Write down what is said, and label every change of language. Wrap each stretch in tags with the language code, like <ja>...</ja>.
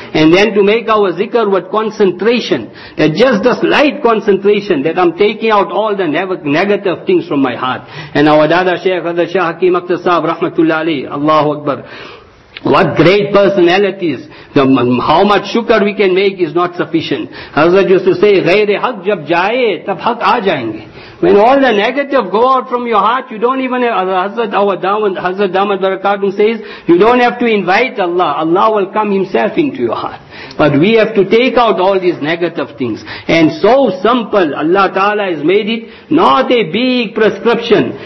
<en>And then to make our zikr with concentration. That just the slight concentration that I'm taking out all the negative things from my heart. And our dada Shaykh Hazrat Shah Hakim Akhtar Sahib Rahmatullah Ali, Allahu Akbar. What great personalities. How much shukr we can make is not sufficient.</en> <ur>Hazrat used to say, غَيْرِ حَقْ جَبْ جَائِ تَبْ حَقْ a جَائِنْگِ.</ur> <en>When all the negative go out from your heart, you don't even have, Hazrat Damat Barakatum says, you don't have to invite Allah. Allah will come Himself into your heart. But we have to take out all these negative things. And so simple, Allah Ta'ala has made it not a big prescription.</en>